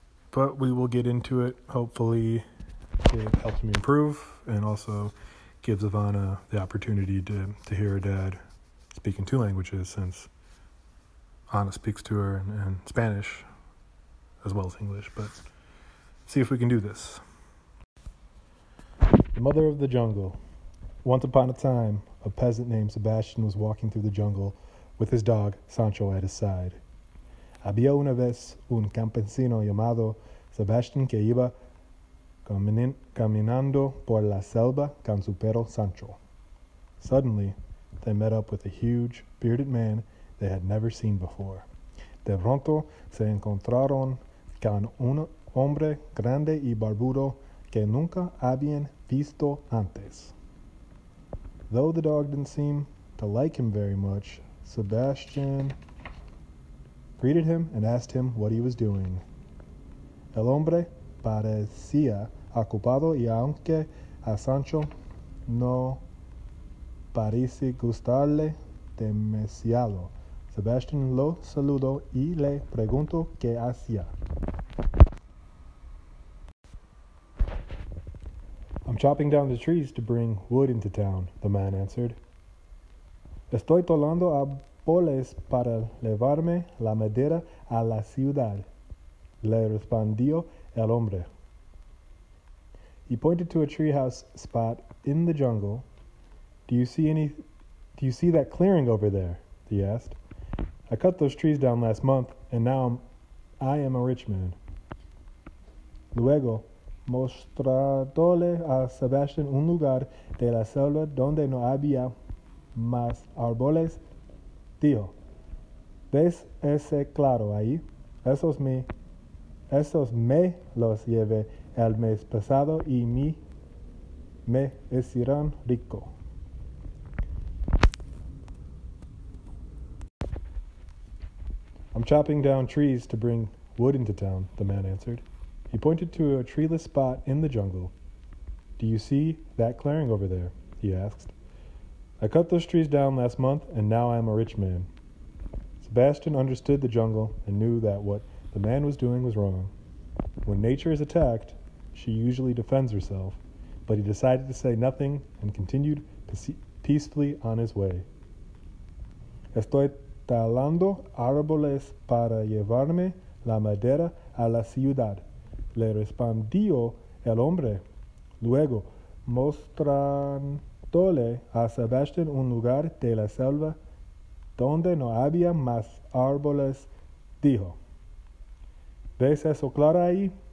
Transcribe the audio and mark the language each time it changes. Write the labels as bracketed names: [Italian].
[English] But we will get into it. Hopefully it helps me improve and also gives Ivana the opportunity to hear her dad speak in two languages, since Ana speaks to her in Spanish as well as English. But see if we can do this. The Mother of the Jungle. Once upon a time, a peasant named Sebastian was walking through the jungle with his dog, Sancho, at his side. [Spanish] Había una vez un campesino llamado Sebastian que iba caminando por la selva con su perro Sancho. [English] Suddenly, they met up with a huge, bearded man they had never seen before. [Spanish] De pronto, se encontraron con un hombre grande y barbudo que nunca habían visto antes. [English] Though the dog didn't seem to like him very much, Sebastian greeted him and asked him what he was doing. [Spanish] El hombre parecía ocupado y aunque a Sancho no parece gustarle demasiado, Sebastian lo saludó y le preguntó qué hacía. [English] I'm chopping down the trees to bring wood into town, the man answered. [Spanish] Estoy talando árboles para llevarme la madera a la ciudad, le respondió el hombre. [English] He pointed to a treehouse spot in the jungle. Do you see that clearing over there? He asked. I cut those trees down last month, and now I am a rich man. [Spanish] Luego, mostrándole a Sebastian un lugar de la selva donde no había más árboles, dijo, ¿Ves ese claro ahí? Esos me los llevé el mes pasado y me hicieron rico. [English] I'm chopping down trees to bring wood into town, the man answered. He pointed to a treeless spot in the jungle. Do you see that clearing over there? He asked. I cut those trees down last month, and now I am a rich man. Sebastian understood the jungle and knew that what the man was doing was wrong. When nature is attacked, she usually defends herself, but he decided to say nothing and continued peacefully on his way. [Spanish] Estoy talando árboles para llevarme la madera a la ciudad, le respondió el hombre. Luego, mostrándole a Sebastián un lugar de la selva donde no había más árboles, dijo, ¿Ves eso claro ahí?